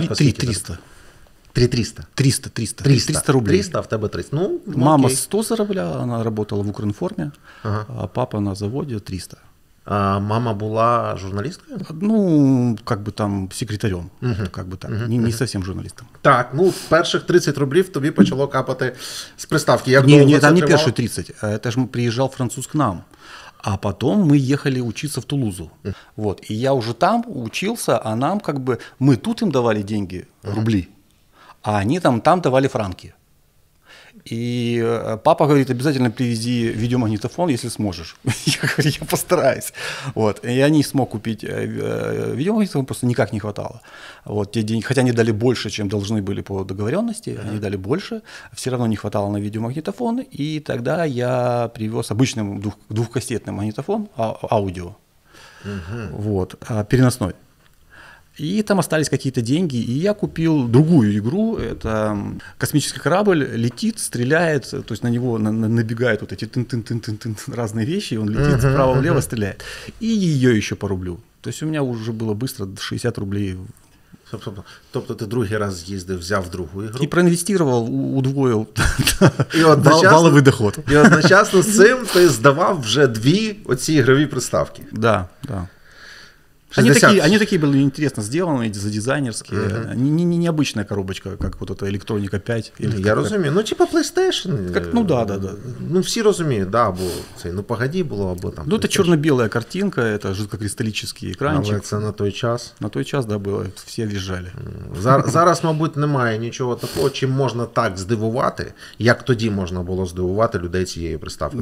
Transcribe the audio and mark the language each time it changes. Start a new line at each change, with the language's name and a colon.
Russian: 3 300. 300 рублей. 300, а в тебе 30. Ну, окей. Мама 100 зарабатывала, она работала в Укринформе, ага. А папа на заводе 300. А мама была журналисткой? Ну, как бы там, секретарем, угу. Как бы так, угу. Не совсем журналистом.
Ukrainian: Так, ну, перших 30 рублей тобі почало капати з приставки. Як не, там не перші 30,
Russian: это ж
Ukrainian: приїжджав француз к нам.
Russian: А потом мы ехали учиться в Тулузу, вот, и я уже там учился, а нам как бы, мы тут им давали деньги, рубли, а они там давали франки. И папа говорит, обязательно привези видеомагнитофон, если сможешь. Я говорю, я постараюсь. Вот. Я не смог купить видеомагнитофон, просто никак не хватало. Вот, те деньги, хотя они дали больше, чем должны были по договоренности, uh-huh. Они дали больше, все равно не хватало на видеомагнитофон. И тогда я привез обычный двухкассетный магнитофон, аудио, uh-huh. Вот, переносной. И там остались какие-то деньги, и я купил другую игру, это космический корабль, летит, стреляет, то есть на него набегают вот эти тын-тын-тын-тын-тын разные вещи, и он летит вправо-влево, стреляет. И ее еще по рублю. То есть у меня уже было быстро 60 рублей.
Ukrainian: Тобто ты другий раз з'їздив, взяв другу игру.
Russian: И проинвестировал, удвоил валовый доход.
Ukrainian: И одночасно с цим ты сдавав вже дві оці ігрові приставки.
Russian: Да, да. Они такие были интересно сделаны, за дизайнерские. Uh-huh. Необычная коробочка, как вот эта Electronica 5.
Ukrainian: Или я розумію.
Russian: Ну, типа PlayStation. Как, ну, да, да, да.
Ukrainian: Ну, всі розуміють, да, бо це, ну, погоді, було або там. Ну, це чорно-біла картинка, це жидкокристалічний екранчик. Але це на той час. На той час, да, було, всі в'їжджали. Зараз, мабуть, немає нічого такого, чим можна так здивувати, як тоді можна було здивувати людей цією приставкою.